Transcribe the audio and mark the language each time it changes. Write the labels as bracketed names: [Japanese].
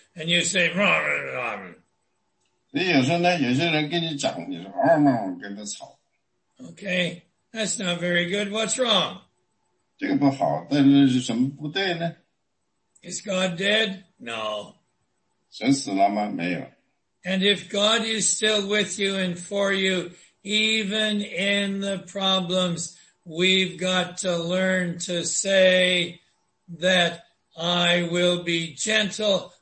[English] And you say, okay, that's not very good. What's wrong? [Chinese] 这个不好，但是什么不对呢? [English] Is God dead? No. [Chinese] 神死了吗?没有。 [English] And if God is still with you and for you, even in the problems, we've got to learn to say that I will be gentle.